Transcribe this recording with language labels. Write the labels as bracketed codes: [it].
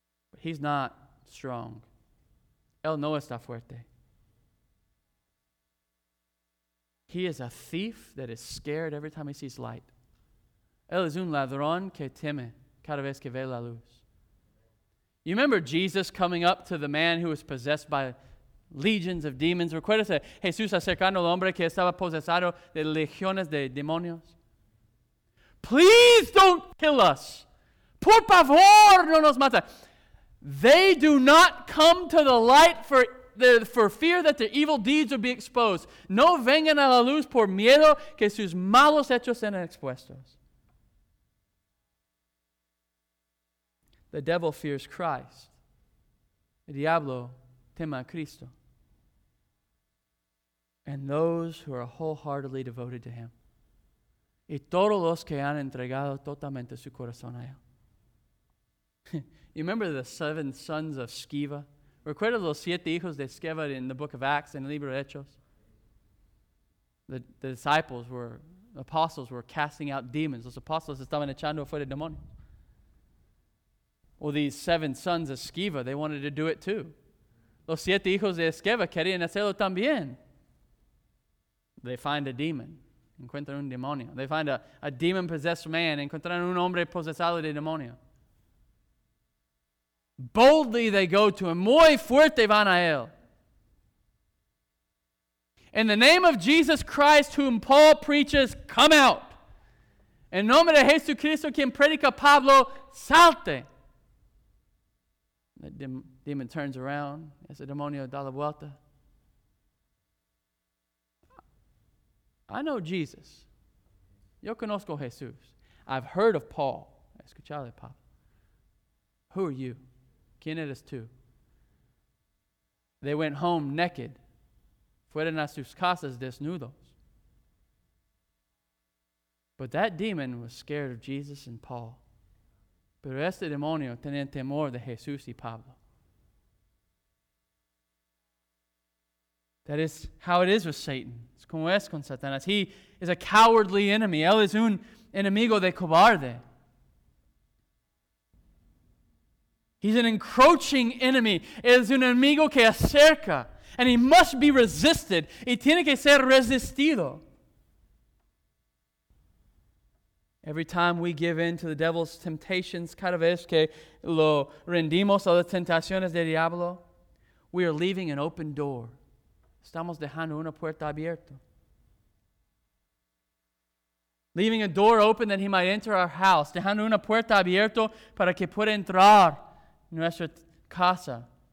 [en] But He's not strong. [es] Él no está fuerte. [en] He is a thief that is scared every time he sees light. [es] Él es un ladrón que teme. Cada vez que ve la luz. [en] You remember Jesus coming up to the man who was possessed by legions of demons. [es] Recuérdese, Jesús acercando al hombre que estaba posesado de legiones de demonios. [en] Please don't kill us. [es] Por favor, no nos mata. [en] They do not come to the light for fear that their evil deeds will be exposed. [es] No vengan a la luz por miedo que sus malos hechos sean expuestos. [en] The devil fears Christ. [es] El diablo teme a Cristo. [en] And those who are wholeheartedly devoted to him. [es] Y todos los que han entregado totalmente su corazón a él. [en] You remember the seven sons of Sceva? [es] Recuerda los siete hijos de Sceva [en] in the book of Acts and [es] Libro de Hechos? [en] The disciples were, apostles were casting out demons. [es] Los apóstoles estaban echando fuera demonios. [en] Well, these seven sons of Sceva, they wanted to do it too. [es] Los siete hijos de Sceva querían hacerlo también. [en] They find a demon. [es] Encuentran un demonio. [en] They find a demon-possessed man. [es] Encuentran un hombre posesado de demonio. [en] Boldly they go to him. [es] Muy fuerte van a él. [en] In the name of Jesus Christ, whom Paul preaches, come out. [es] En nombre de Jesucristo, quien predica Pablo, salte. [en] The demon turns around. [es] Es el demonio da la vuelta. [en] I know Jesus. [es] Yo conozco Jesús. [en] I've heard of Paul. [es] Escuchale, Pablo. [en] Who are you? [es] ¿Quién eres tú? [en] They went home naked. [es] Fueron a sus casas desnudos. [en] But that demon was scared of Jesus and Paul. [es] Pero este demonio tenía temor de Jesús y Pablo. [en] That is how it is with Satan. [es] Es como es con Satanás. [en] He is a cowardly enemy. [es] Él es un enemigo de cobarde. [en] He's an encroaching enemy. [es] Es un enemigo que acerca. [en] And he must be resisted. [es] Y tiene que ser resistido. [en] Every time we give in to the devil's temptations, [es] cada vez que lo rendimos a las tentaciones del diablo, [en] we are leaving an open door. [es] Estamos dejando una puerta abierta. [en] Leaving a door open that he might enter our house. [es] Dejando una puerta abierta para que pueda entrar nuestra casa.